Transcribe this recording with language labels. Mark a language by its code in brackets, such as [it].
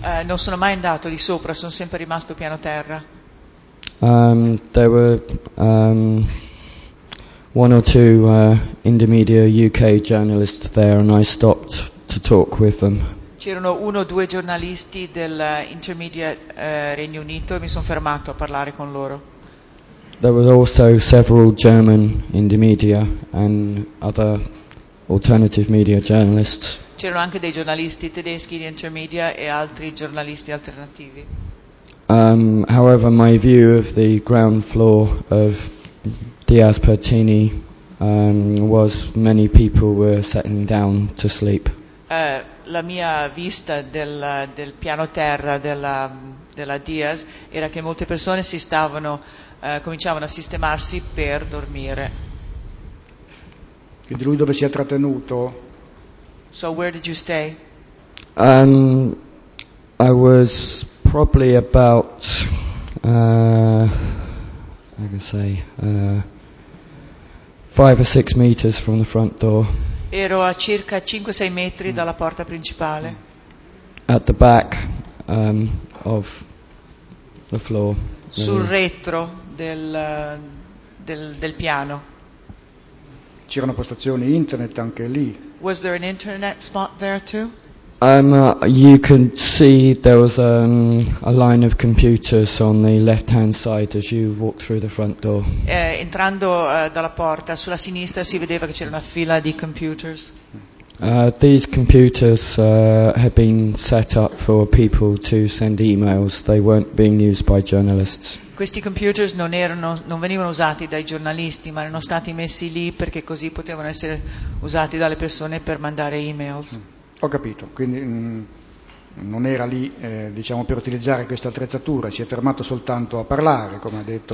[it] Non sono mai andato di sopra, sono sempre rimasto piano terra. [en] There were one or two intermediate UK journalists there and I stopped to talk with them. [it] C'erano uno o due giornalisti del Intermediate Regno Unito e mi sono fermato a parlare con loro. [en] There were also several German intermediate and other alternative media journalists. [it] C'erano anche dei giornalisti tedeschi di Intermedia e altri giornalisti alternativi. [en] However, my view of the ground floor of Diaz Pertini was many people were settling down to sleep. [it] La mia vista del piano terra della Diaz era che molte persone si stavano cominciavano a sistemarsi per dormire. Quindi lui dove si è trattenuto? [en] So where did you stay? I was probably about I can say 5 or 6 meters from the front door. [it] Ero a circa 5-6 metri dalla porta principale. [en] At the back of the floor. [it] Sul retro del piano. C'era una postazione internet anche lì. [en] Was there an internet spot there too? You can see there was a line of computers on the left-hand side as you walked through the front door. [it] Entrando dalla porta, sulla sinistra si vedeva che c'era una fila di computers. [en] These computers had been set up for people to send emails. They weren't being used by journalists. [it] Questi computers non venivano usati dai giornalisti, ma erano stati messi lì perché così potevano essere usati dalle persone per mandare emails. Ho capito, quindi non era lì diciamo per utilizzare questa attrezzatura, si è fermato soltanto a parlare, come ha detto